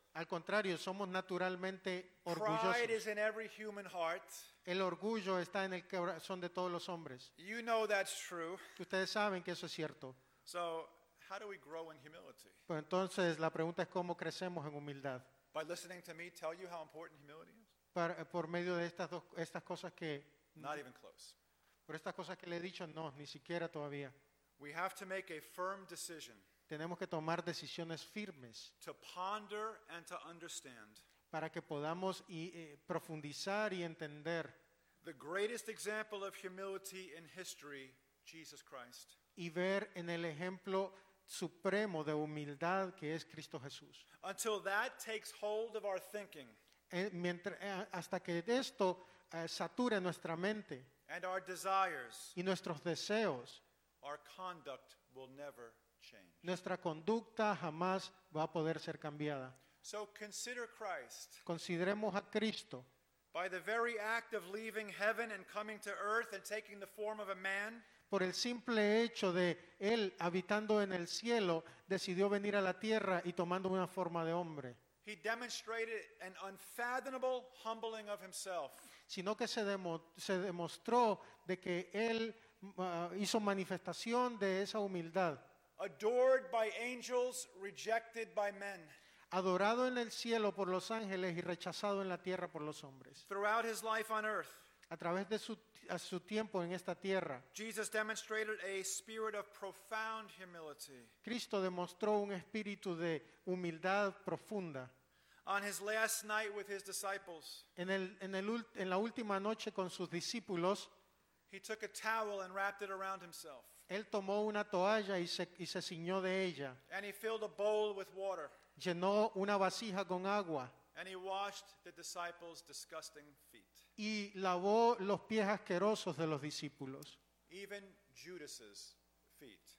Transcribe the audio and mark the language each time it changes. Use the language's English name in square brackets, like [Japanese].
[Spanish] Al contrario, somos naturalmente orgullosos. [English] Pride is in every human heart. [Spanish] El orgullo está en el corazón de todos los hombres. [English] You know that's true. [Spanish] Ustedes saben que eso es cierto. [English] So, how do we grow in humility? [Spanish] Pues entonces, la pregunta es cómo crecemos en humildad. [English] By listening to me tell you how important humility is? [Spanish] Por medio de estas dos estas cosas que [English] not even close. [Spanish] Por estas cosas que le he dicho, no, ni siquiera todavía. [English] We have to make a firm decision. [Spanish] Tenemos que tomar decisiones firmes. [English] To ponder and to understand. [Spanish] Para que podamos profundizar y entender. [English] The greatest example of humility in history, Jesus Christ. [Spanish] Y ver en el ejemplo supremo de humildad que es Cristo Jesús. [English] Until that takes hold of our thinking. [Spanish] Hasta que esto sature nuestra mente. [English] And our desires. [Spanish] Y nuestros deseos. [English] Our conduct will never change. [Spanish] Nuestra conducta jamás va a poder ser cambiada. [English] So consider Christ. [Spanish] Consideremos a Cristo. [English] By the very act of leaving heaven and coming to earth and taking the form of a man. [Spanish] Por el simple hecho de él habitando en el cielo, decidió venir a la tierra y tomando una forma de hombre. [English] He demonstrated an unfathomable humbling of himself. [Spanish] Sino que se demostró de que él hizo manifestación de esa humildad. [English] Adored by angels, rejected by men. [Spanish] Adorado en el cielo por los ángeles y rechazado en la tierra por los hombres. [English] Throughout his life on earth, [Spanish] a través de su tiempo en esta tierra, [English] Jesus demonstrated a spirit of profound humility. [Spanish] Cristo demostró un espíritu de humildad profunda. [English] On his last night with his disciples, [Spanish] en la última noche con sus discípulos, [English] he took a towel and wrapped it around himself. [Spanish] Él tomó una toalla y se ciñó de ella. [English] And he filled a bowl with water. [Spanish] Llenó una vasija con agua. [English] And he washed the disciples' disgusting feet. [Spanish] Y lavó los pies asquerosos de los discípulos. [English] Even Judas's feet.